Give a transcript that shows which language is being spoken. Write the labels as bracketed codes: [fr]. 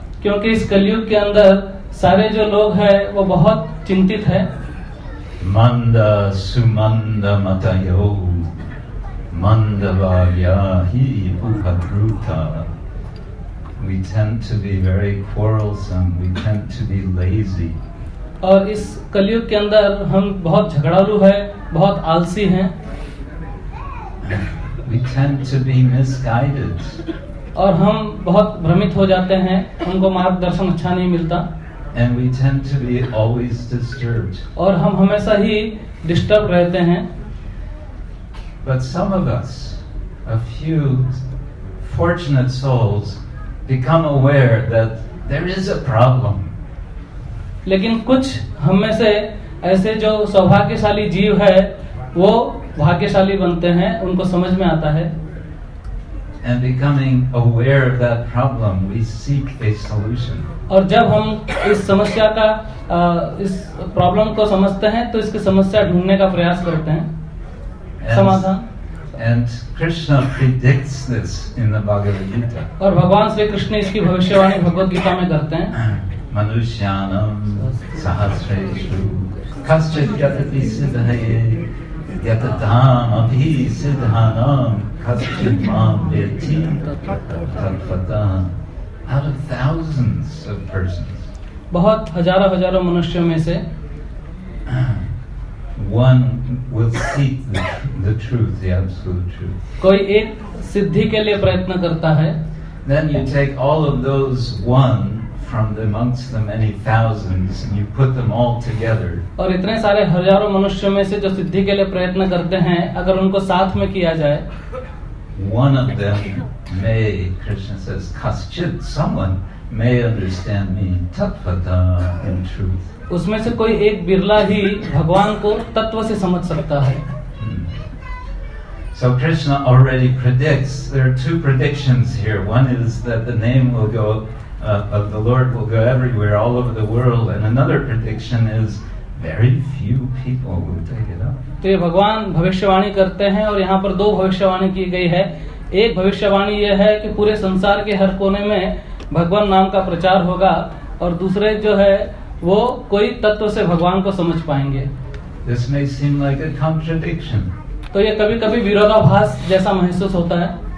[hi] क्योंकि इस कलयुग के अंदर सारे जो लोग हैं वो बहुत चिंतित हैं। [sa] मंद सुमंद मतयो मंदवाया ही उपद्रुता। [en] We tend to be very quarrelsome. We tend to be lazy. [hi] और इस कलयुग के अंदर हम बहुत झगड़ालू हैं, बहुत आलसी हैं। [en] We tend to be misguided. [hi] और हम बहुत भ्रमित हो जाते हैं, हमको मार्गदर्शन अच्छा नहीं मिलता। [en] And we tend to be always disturbed. [hi] और हम हमेशा ही डिस्टर्ब रहते हैं। [en] But some of us, a few fortunate souls, become aware that there is a problem. [hi] लेकिन कुछ हम में से ऐसे जो सौभाग्यशाली जीव है वो भाग्यशाली बनते हैं, उनको समझ में आता है। [en] And becoming aware of that problem, we seek a solution. [hi] और जब हम इस समस्या का इस problem को समझते हैं, तो इसकी समस्या ढूंढने का प्रयास करते हैं, समाधान। [en] And Krishna predicts this in the Bhagavad Gita. [hi] और भगवान श्री कृष्ण इसकी भविष्यवाणी भगवत गीता में करते हैं। [sa] मनुष्यानं सहस्रेषु कश्चित् यतति सिद्धये यतताम् अभि सिद्धानाम् [en] out of thousands of persons, [hi] बहुत हजारों हजारों मनुष्यों में से, [en] one will seek the truth, the absolute truth. [hi] कोई एक सिद्धि के लिए प्रयत्न करता है. [en] Then you take all of those one from amongst the many thousands and you put them all together. [hi] और इतने सारे हजारों मनुष्यों में से जो सिद्धि के लिए प्रयत्न करते हैं, अगर उनको साथ में किया जाए. [en] One of them may, Krishna says, kaschit, someone may understand me tatvata in truth. [hi] उसमें से कोई एक बिरला ही भगवान को तत्व से समझ सकता है. [en] So Krishna already predicts. There are two predictions here. One is that the name will go of the Lord will go everywhere, all over the world. And another prediction is very few people will take it up. [hi] तो ये भगवान भविष्यवाणी करते हैं और यहाँ पर दो भविष्यवाणी की गई है. एक भविष्यवाणी ये है कि पूरे संसार के हर कोने में भगवान नाम का प्रचार होगा और दूसरे जो है वो कोई तत्व से भगवान को समझ पाएंगे. [en] This may seem like a contradiction. [hi] तो ये कभी-कभी विरोधाभास जैसा महसूस होता है.